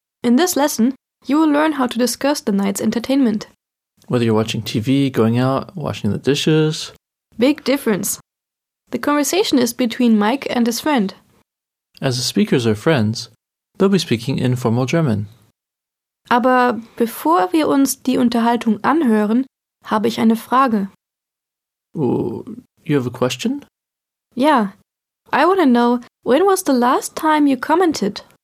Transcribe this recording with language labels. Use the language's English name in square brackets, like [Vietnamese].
[English] In this lesson, you will learn how to discuss the night's entertainment. Whether you're watching TV, going out, washing the dishes. Big difference. The conversation is between Mike and his friend. As the speakers are friends, they'll be speaking informal German. [German] Aber bevor wir uns die Unterhaltung anhören, habe ich eine Frage. [English] You have a question? Yeah. I want to know, when was the last time you commented?